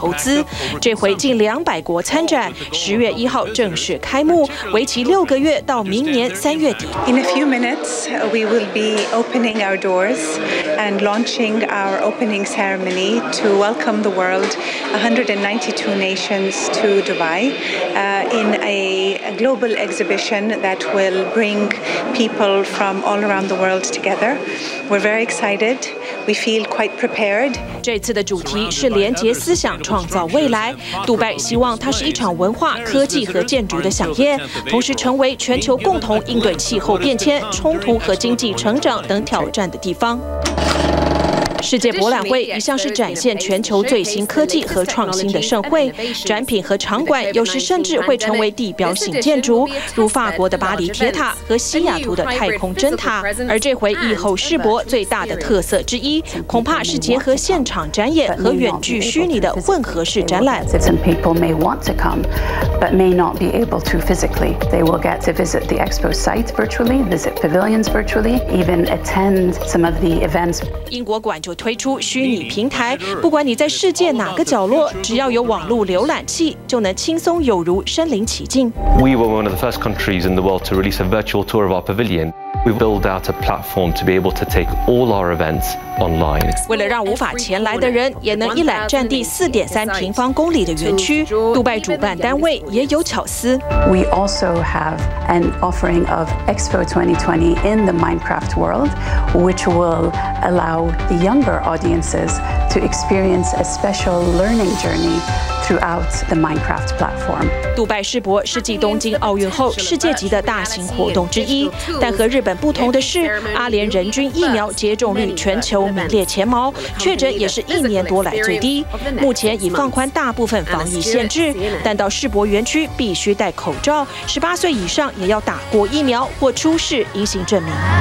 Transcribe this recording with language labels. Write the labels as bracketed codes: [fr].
[zh] 园顶内则展出森林、海洋世界以及人类过度消费，希望年轻世代在这里对永续有更多体验。世博结束后，展馆也将化身科学中心，园区也会变身新社区。杜拜世博是新冠疫情以来第一场敞开大门的全球性活动，各国和企业无不希望能因此带动贸易和投资。这回近200国参展，10月1号正式开幕，为期6个月，到明年3月底。 [en] minutes, we will be opening our doors and launching our opening ceremony to welcome the world, 192 nations to Dubai, in a global exhibition that will bring people from all around the world together. We're very excited. We feel quite prepared. [zh] 这次的主题是连接思想，创造未来。杜拜希望它是一场文化、科技和建筑的飨宴，同时成为全球共同应对气候变迁、冲突和经济成长等挑战的地方。世界博览会一向是展现全球最新科技和创新的盛会，展品和场馆有时甚至会成为地标性建筑，如法国的巴黎铁塔和西雅图的太空针塔。而这回疫后世博最大的特色之一，恐怕是结合现场展演和远距虚拟的混合式展览。 [en] Some people may want to come, but may not be able to physically. They will get to visit the expo site virtually, visit pavilions virtually, even attend some of the events. [zh] 英国馆就推出虚拟平台，不管你在世界哪个角落，只要有网络浏览器，就能轻松有如身临其境。 [en] We were one of the first countries in the world to release a virtual tour of our pavilion. We built out a platform to be able to take all our events online. [zh] 为了让无法前来的人也能一览占地4.3平方公里的园区，杜拜主办单位也有巧思。 [en] We also have an offering of Expo 2020 in the Minecraft world, which will allow younger audiences to experience a special learning journey throughout the Minecraft platform. [zh] 杜拜世博是继东京奥运后世界级的大型活动之一，但和日本不同的是，阿联人均疫苗接种率全球名列前茅，确诊也是一年多来最低。目前已放宽大部分防疫限制，但到世博园区必须戴口罩，18岁以上也要打过疫苗或出示阴性证明。